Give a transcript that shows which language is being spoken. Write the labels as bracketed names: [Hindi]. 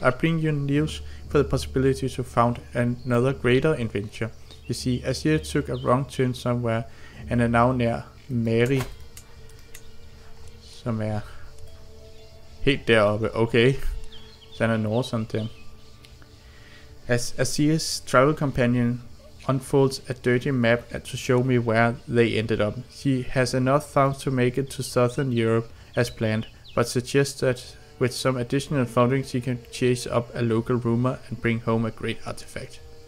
[English] I bring you news for the possibility to found another greater adventure. You see, Azil took a wrong turn somewhere and are now near Mary, [Danish] som er helt deroppe. Okay, så han er nået sådan der. [English] As Azir's travel companion unfolds a dirty map to show me where they ended up. She has enough funds to make it to southern Europe as planned, but suggests that with some additional funding she can chase up a local rumor and bring home a great artifact.